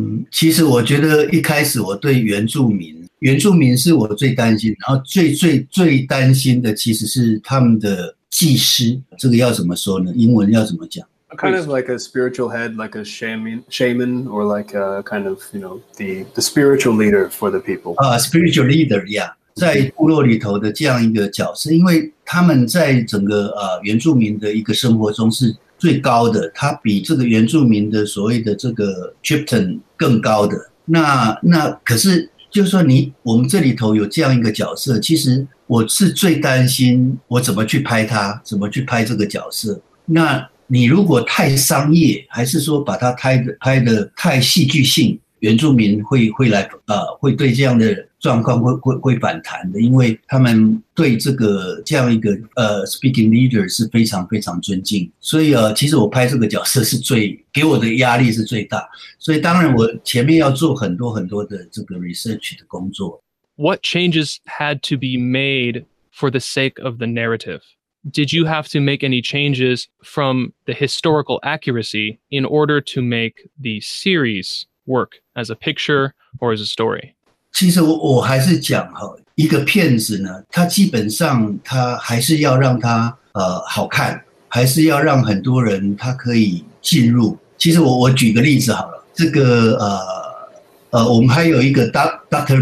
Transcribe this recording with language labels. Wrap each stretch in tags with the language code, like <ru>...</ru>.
<zh>其实我觉得一开始我对原住民是我最担心，然后最最最担心的其实是他们的祭师，这个要怎么说呢？英文要怎么讲</zh> <en>kind of like a spiritual head, like a shaman, or like a kind of, you know, the spiritual leader for the people. Spiritual leader, yeah.</en> <zh>在部落里头的这样一个角色，因为他们在整个原住民的一个生活中是最高的，他比这个原住民的所谓的这个 chieftain 更高的。那可是，就说我们这里头有这样一个角色，其实我是最担心我怎么去拍他，怎么去拍这个角色。那你如果太商业，还是说把它拍的太戏剧性，原住民会来会对这样的状况会反弹的，因为他们对这样一个speaking leader 是非常非常尊敬，所以其实我拍这个角色是最给我的压力是最大，所以当然我前面要做很多很多的这个 research 的工作。</zh> <en>What changes had to be made for the sake of the narrative? Did you have to make any changes from the historical accuracy in order to make the series work as a picture or as a story?</en> <zh>其实我还是讲哈，一个片子呢，它基本上它还是要让它好看，还是要让很多人他可以进入。其实我举个例子好了，这个我们还有一个 Dr.</zh>